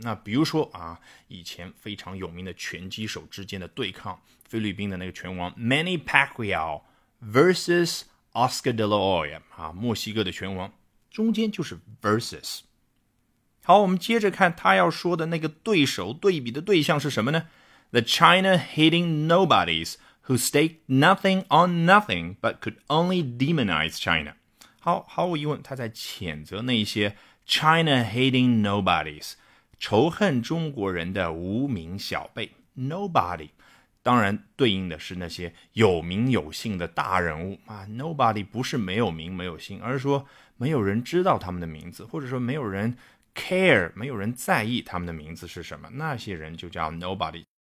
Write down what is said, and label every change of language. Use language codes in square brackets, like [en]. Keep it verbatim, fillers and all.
[zh] 那比如说啊，以前非常有名的拳击手之间的对抗，菲律宾的那个拳王 Manny Pacquiao versus Oscar De La Hoya 啊，墨西哥的拳王，中间就是 versus。好，我们接着看他要说的那个对手对比的对象是什么呢？ [en] the China-hating nobodies who staked nothing on nothing but could only demonize China. [zh] 毫毫无疑问，他在谴责那些 [en] China-hating nobodies， [zh] 仇恨中国人的无名小辈 nobody。当然对应的是那些有名有姓的大人物啊 nobody 不是没有名没有姓，而是说没有人知道他们的名字，或者说没有人 care， 没有人在意他们的名字是什么，那些人就叫 nobody。